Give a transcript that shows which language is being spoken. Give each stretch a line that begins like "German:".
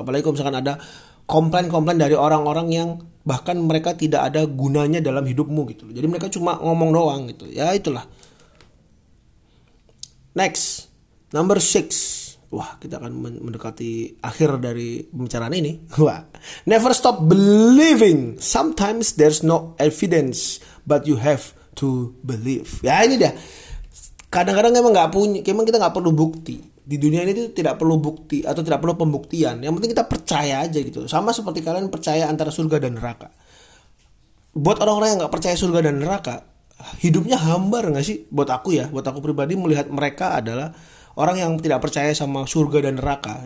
Indonesian: Apalagi kalau misalkan ada komplain-komplain dari orang-orang yang bahkan mereka tidak ada gunanya dalam hidupmu gitu. Jadi mereka cuma ngomong doang gitu. Ya itulah.
English: Next, number 6.
Indonesian: Wah, kita akan mendekati akhir dari pembicaraan ini.
English: Wah. Never stop believing. Sometimes there's no evidence, but you have to believe.
Indonesian: Ya ini dia. Kadang-kadang emang nggak punya, emang kita nggak perlu bukti. Di dunia ini tuh tidak perlu bukti atau tidak perlu pembuktian. Yang penting kita percaya aja gitu. Sama seperti kalian percaya antara surga dan neraka. Buat orang-orang yang nggak percaya surga dan neraka, hidupnya hambar nggak sih? Buat aku ya, buat aku pribadi melihat mereka adalah orang yang tidak percaya sama surga dan neraka.